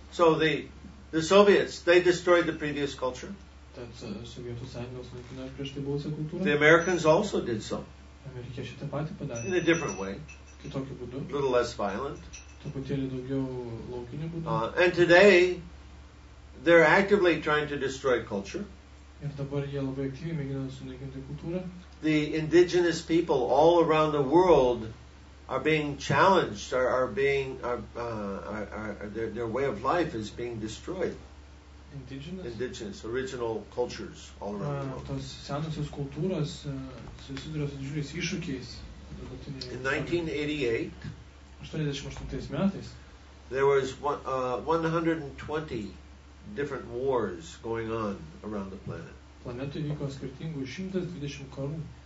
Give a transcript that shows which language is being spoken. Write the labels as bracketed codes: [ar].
[en] So the Soviets, they destroyed the previous culture. [lt] Tad Sovietų Sąjungos naikino prieš tai buvusią kultūrą. [en] The Americans also did so. [lt] Amerikiečiai tą patį padarė. [en] In a different way. [lt] Kitokiu būdu. [en] A little less violent. [lt] Truputėlį daugiau laukiniu būdu. [en] And today, they're actively trying to destroy culture. [lt] Ir dabar jie labai aktyviai mėgina sunaikinti kultūrą. [en] The indigenous people all around the world are being challenged, their way of life is being destroyed. Indigenous, original cultures all around the world. [lt] Tos senosios kultūros susiduria su didžiuliais iššūkiais. [en] In 1988, there was 120 different wars going on around the planet. [lt] Planetoje vyko skirtingų 120 karų.